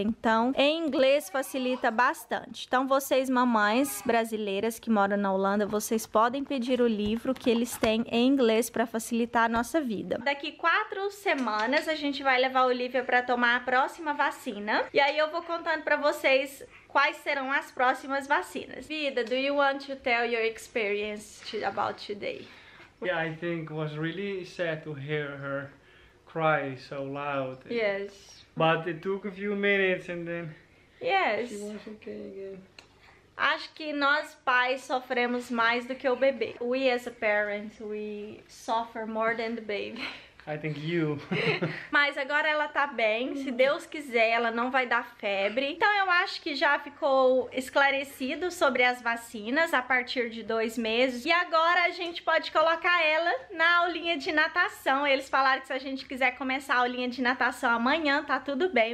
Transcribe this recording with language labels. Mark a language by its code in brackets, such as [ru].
[pt] Então, em inglês facilita bastante. Então, vocês mamães brasileiras que moram na Holanda, vocês podem pedir o livro que eles têm em inglês para facilitar a nossa vida. Daqui 4 semanas, a gente vai levar a Olivia para tomar a próxima vacina. E aí, eu vou contando para vocês quais serão as próximas vacinas. [en] Vida, do you want to tell your experience about today? Yeah, I think it was really sad to hear her cry so loud. Yes. But it took a few minutes and then... Yes. She was okay again. [pt] Acho que nós pais sofremos mais do que o bebê. [en] We as a parent, we suffer more than the baby. I think you. [pt] Mas agora ela tá bem, se Deus quiser, ela não vai dar febre. Então eu acho que já ficou esclarecido sobre as vacinas a partir de 2 meses. E agora a gente pode colocar ela na aulinha de natação. Eles falaram que se a gente quiser começar a aulinha de natação amanhã, tá tudo bem.